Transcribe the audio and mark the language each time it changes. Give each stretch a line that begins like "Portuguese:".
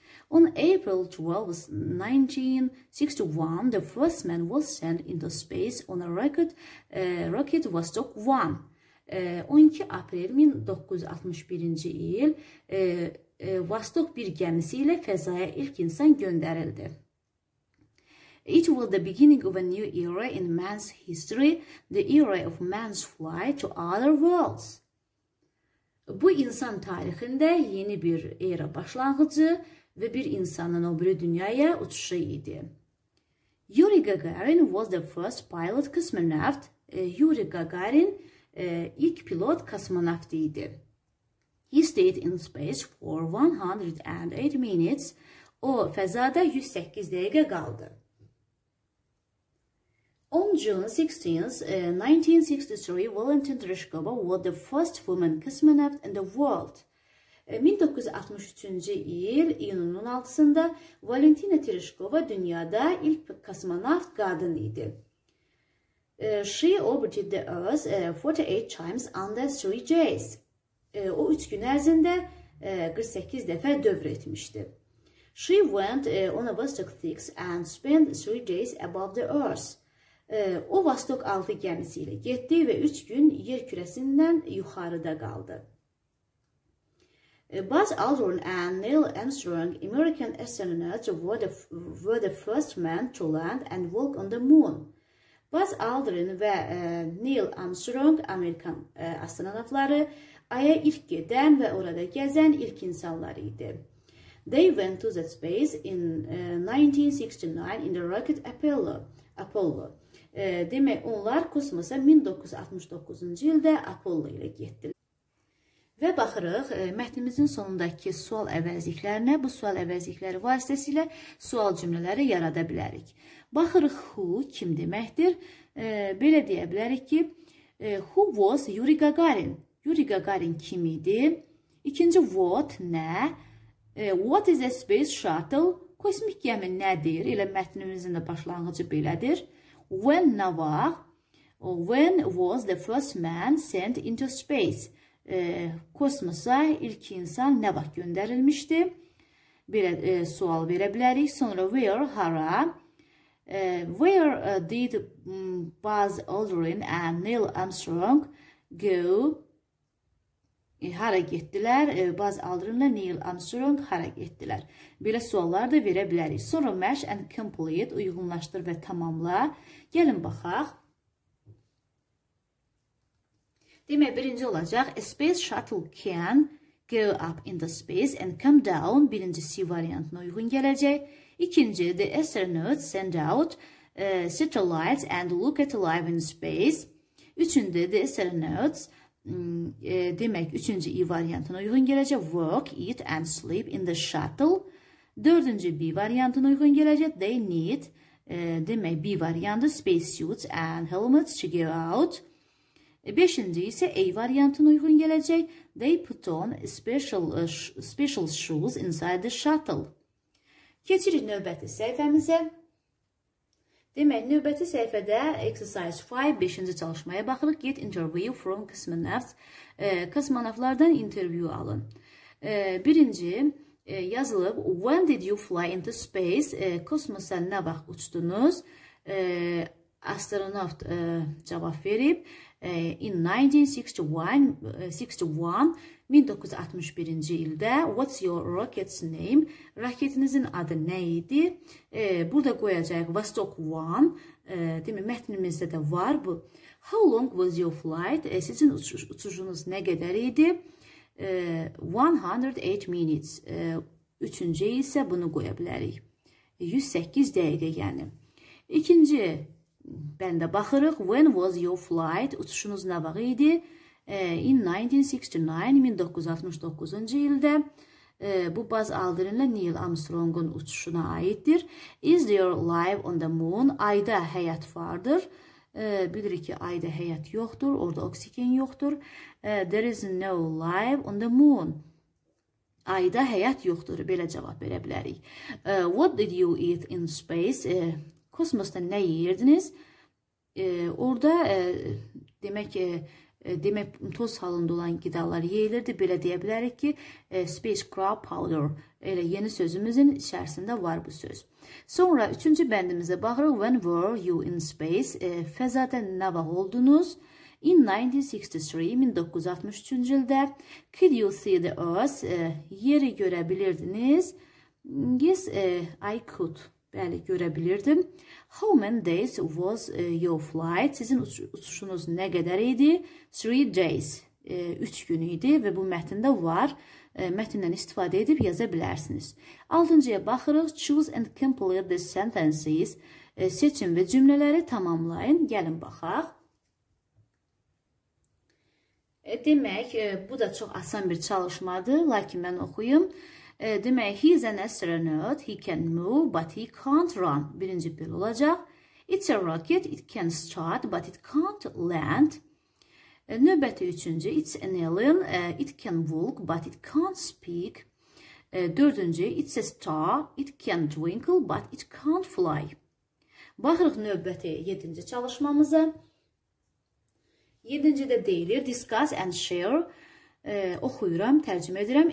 English: On April 12, 1961, the first man was sent into space on a rocket, rocket Vostok 1.
Azerbaijani: 12 April 1961-ci il Vostok 1 gəmisi ilə fəzaya ilk insan göndərildi.
English: It was the beginning of a new era in man's history, the era of man's flight to other worlds.
Azerbaijani: Bu insan tarixində yeni bir era başlanğıcı və bir insanın öbür dünyaya uçuşu idi.
English: Yuri Gagarin was the first pilot cosmonaut.
Azerbaijani: Yuri Gagarin ilk pilot kosmonavt idi.
English: He stayed in space for 108 minutes.
Azerbaijani: O fəzada 108 dəqiqə qaldı.
English: On June 16, 1963, Valentina Tereshkova was the first woman cosmonaut in the world.
Azerbaijani: 1963-cü il iyunun 6-sında Valentina Tereshkova dünyada ilk kosmonavt qadın idi.
English: She orbited the Earth 48 times under 3 days.
Azerbaijani: O 3 gün ərzində 48 dəfə dövr etmişdi.
English: She went on a Vostok 6 and spent 3 days above the Earth.
Azerbaijani: O Vostok 6 gəmisi ilə getdi və 3 gün yer kürəsindən yuxarıda qaldı.
English: Buzz Aldrin and Neil Armstrong, American astronauts, were the first men to land and walk on the moon.
Azerbaijani: Buzz Aldrin və Neil Armstrong, Amerikan astronautları, aya ilk gedən və orada gəzən ilk insanlar idi.
English: They went to that space in 1969 in the rocket Apollo.
Azerbaijani: Demək, onlar kosmosa 1969-cu ildə Apollo ilə getdilər. Və baxırıq, mətnimizin sonundakı sual əvəzliklərinə, bu sual əvəzlikləri vasitəsilə sual cümlələri yarada bilərik. Baxırıq, who kim deməkdir? Belə deyə bilərik ki,
English: who was Yuri Gagarin?
Azerbaijani: Yuri Gagarin kim idi? İkinci,
English: what,
Azerbaijani: nə?
English: What is a space shuttle?
Azerbaijani: Kosmik gəmi nədir? İlə mətnimizin də başlanğıcı belədir.
English: When,
Azerbaijani: nə var?
English: When was the first man sent into space?
Azerbaijani: Kosmosa ilk insan nə vaxt göndərilmişdi? Belə sual verə bilərik. Sonra
English: where,
Azerbaijani: hara?
English: Where did Buzz Aldrin and Neil Armstrong go?
Azerbaijani: Hara getdilər? Buzz Aldrin ilə Neil Armstrong hara getdilər? Belə suallar da verə bilərik. Sonra
English: match and complete,
Azerbaijani: uyğunlaşdır və tamamla. Gəlin baxaq. Demək, birinci olacaq,
English: a space shuttle can go up into space and come down.
Azerbaijani: Birinci C variantına uyğun gələcək.
English: İkinci, the astronauts send out satellites and look at life in space. Üçüncü, the astronauts,
Azerbaijani: demək, üçüncü E variantına uyğun gələcək,
English: work, eat and sleep in the shuttle.
Azerbaijani: Dördüncü, B variantına uyğun gələcək,
English: they need,
Azerbaijani: demək, B variantı,
English: space suits and helmets to go out.
Azerbaijani: Beşinci isə A variantına uyğun gələcək.
English: They put on special shoes inside the shuttle.
Azerbaijani: Keçirik növbəti səhifəmizə. Demək, növbəti səhifədə
English: exercise 5,
Azerbaijani: 5-ci çalışmaya baxırıq.
English: Get interview from cosmonauts.
Azerbaijani: Kosmonavtlardan interview alın. Birinci yazılıb,
English: when did you fly into space?
Azerbaijani: Kosmosa nə vaxt uçdunuz?
English: Astronaut
Azerbaijani: cavab verib.
English: In 1961, 1961,
Azerbaijani: 1961-ci ildə,
English: what's your rocket's name?
Azerbaijani: Raketinizin adı nə idi? Burada qoyacaq Vostok 1, demək, mətnimizdə də var bu.
English: How long was your flight?
Azerbaijani: Sizin uçuşunuz nə qədər idi?
English: 108 minutes.
Azerbaijani: Üçüncü isə bunu qoya bilərik. 108 dəqiqə yəni. İkinci, bəndə baxırıq,
English: when was your flight?
Azerbaijani: Uçuşunuz nə vaxt idi?
English: In 1969,
Azerbaijani: 1969-cu ildə, Bu baz aldırınla Neil Armstrong'un uçuşuna aiddir.
English: Is there life on the moon?
Azerbaijani: Ayda həyat vardır. Bilirik ki, ayda həyat yoxdur. Orada oksigen yoxdur.
English: There is no life on the moon.
Azerbaijani: Ayda həyat yoxdur. Belə cavab verə bilərik.
English: What did you eat in space?
Azerbaijani: Kosmosda nə yerdiniz? Orada demək ki, demək, toz halında olan qidalar yeyilirdi. Belə deyə bilərik ki,
English: spacecraft powder.
Azerbaijani: Elə yeni sözümüzün içərisində var bu söz. Sonra üçüncü bəndimizə baxırıq.
English: When were you in space?
Azerbaijani: Fəzadə nə vaxt oldunuz?
English: In 1963,
Azerbaijani: 1963-cü ildə.
English: Could you see the earth?
Azerbaijani: Yeri görə bilirdiniz?
English: Yes, I could.
Azerbaijani: Bəli, görə bilirdim.
English: How many days was your flight?
Azerbaijani: Sizin uçuşunuz nə qədər idi?
English: 3 days.
Azerbaijani: 3 gün idi və bu mətndə var. Mətndən istifadə edib yaza bilərsiniz. 6-cıya baxırıq.
English: Choose and complete the sentences.
Azerbaijani: Seçin və cümlələri tamamlayın. Gəlin, baxaq. Demək, bu da çox asan bir çalışmadır. Lakin mən oxuyum. Demək,
English: he is an astronaut, he can move, but he can't run.
Azerbaijani: Birinci bir olacaq.
English: It's a rocket, it can start, but it can't land.
Azerbaijani: Növbəti üçüncü,
English: it's an alien, it can walk, but it can't speak.
Azerbaijani: Dördüncü,
English: it's a star, it can twinkle, but it can't fly.
Azerbaijani: Baxırıq növbəti yedinci çalışmamıza. Yedinci də deyilir,
English: discuss and share.
Azerbaijani: Oxuyuram, tərcümə edirəm.